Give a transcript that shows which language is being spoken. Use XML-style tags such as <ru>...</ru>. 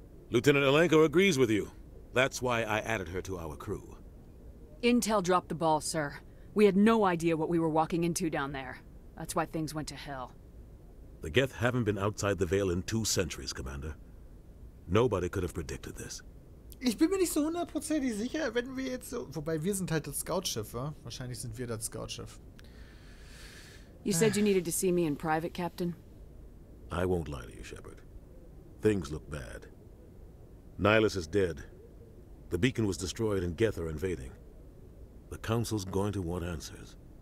<en>Lieutenant Elenko agrees with you. That's why I added her to our crew. Intel dropped the ball, sir. We had no idea what we were walking into down there. That's why things went to hell. The Geth haven't been outside the Vale in 2 centuries, Commander. Nobody could have predicted this.</en> <de>Ich bin mir nicht so hundertprozentig sicher, wenn wir jetzt so... Wobei, wir sind halt das Scoutschiff, wa? Wahrscheinlich sind wir das Scoutschiff.</de> <en>You said you needed to see me in private, Captain. I won't lie to you, Shepard. Things look bad. Nihlus is dead. The beacon was destroyed and Geth are invading. The Council's going to want answers.</en>